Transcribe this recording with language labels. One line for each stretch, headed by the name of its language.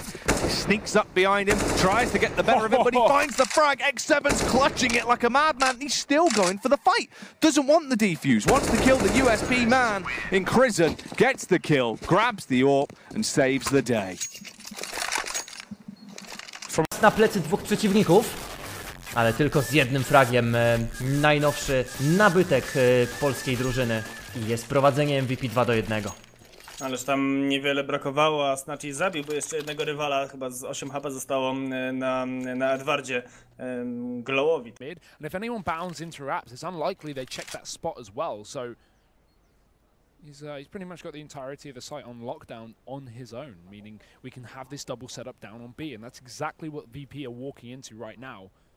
English: He sneaks up behind him, tries to get the better of it, but he finds the frag. X7's clutching it like a madman. He's still going for the fight. Doesn't want the defuse. Wants to kill the USP man in prison. Gets the kill, grabs the AWP, and saves the day.
Polish: Na plecy dwóch przeciwników, ale tylko z jednym fragiem. Najnowszy nabytek polskiej drużyny i jest prowadzenie MVP 2-1. Ależ tam niewiele brakowało, a Snatchy zabił, bo jeszcze jednego rywala, chyba z 8 HP zostało na Edwardzie, Glowowi.
English: And if anyone bounds into wraps, it's unlikely they check that spot as well, so he's pretty much got the entirety of the site on lockdown on his own, meaning we can have this double setup down on B, and that's exactly what VP are walking into right now.